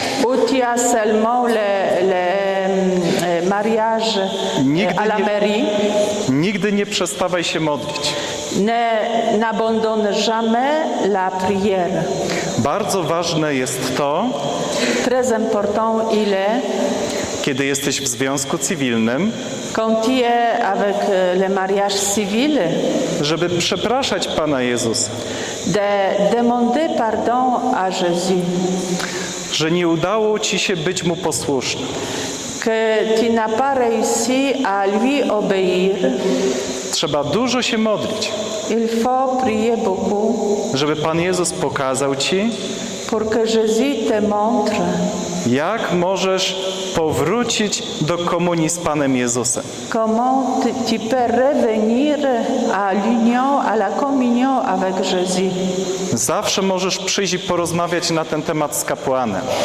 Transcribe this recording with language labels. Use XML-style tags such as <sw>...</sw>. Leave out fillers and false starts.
<fr>Ou tu as seulement le mariage à la mairie?</fr> <pl>Nigdy nie przestawaj się modlić.</pl> <fr>Ne n'abandonne jamais la prière.</fr> <pl>Bardzo ważne jest to,</pl> <fr>très important il est,</fr> <pl>kiedy jesteś w związku cywilnym,</pl> <fr>quand tu es avec le mariage civil,</fr> <pl>żeby przepraszać Pana Jezusa,</pl> <fr>de demander pardon à Jésus,</fr> <pl>że nie udało ci się być mu posłuszny,</pl> <fr>que tu n'as pas réussi à lui obéir.</fr> <pl>Trzeba dużo się modlić,</pl> <fr>il faut prier beaucoup,</fr> <pl>żeby Pan Jezus pokazał ci,</pl> <fr>pour que Jésus te montre,</fr> <pl>jak możesz powrócić do komunii z Panem Jezusem.</pl> <fr>Comment tu peux revenir à l'union, à la communion avec Jésus?</fr> <pl>Zawsze możesz przyjść i porozmawiać na ten temat z kapłanem.</pl>